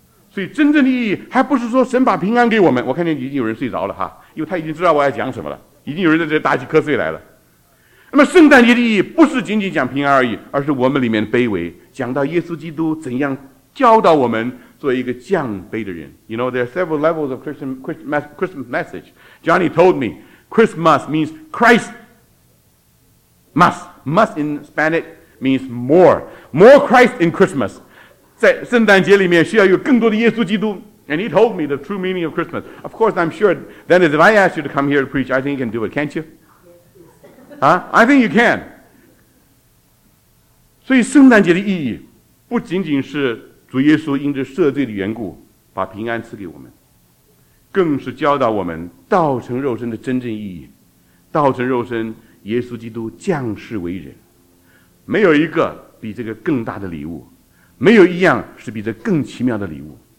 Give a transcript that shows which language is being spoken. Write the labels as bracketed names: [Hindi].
[Chinese] 所以真正的意义还不是说神把平安给我们。我看见已经有人睡着了哈，因为他已经知道我要讲什么了，已经有人在这打起瞌睡来了。那么圣诞节的意义不是仅仅讲平安而已，而是我们里面的卑微，讲到耶稣基督怎样教导我们做一个降卑的人。 [English] You know, there are several levels of Christmas message. Johnny told me Christmas means Christ must in Spanish means more Christ in Christmas. [Chinese] 在圣诞节里面需要有更多的耶稣基督。 [English] And he told me the true meaning of Christmas. Of course, I'm sure then if I ask you to come here to preach, I think you can do it, can't you? I think you can. [Chinese] 所以圣诞节的意义不仅仅是主耶稣因着赦罪的缘故把平安赐给我们，更是教导我们道成肉身的真正意义。道成肉身，耶稣基督降世为人，没有一个比这个更大的礼物，没有一样是比这更奇妙的礼物。